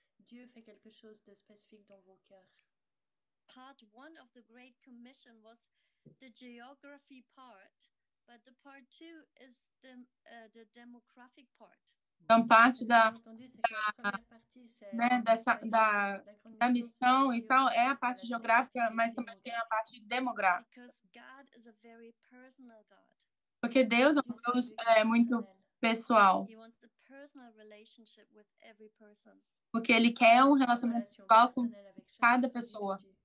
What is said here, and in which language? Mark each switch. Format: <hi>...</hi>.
<fr>Dieu fait quelque chose de spécifique dans vos cœurs.</fr> <en>Part one of the Great Commission was the geography part, but the part two is the demographic part.</en> <pt>Então, parte da missão e tal é a parte geográfica, mas também tem a parte demográfica.</pt> <en>Because God is a very personal God.</en> <pt>Porque Deus é um Deus muito pessoal.</pt> <en>He wants a personal relationship with every person.</en> <pt>Porque ele quer um relacionamento pessoal com cada pessoa.</pt>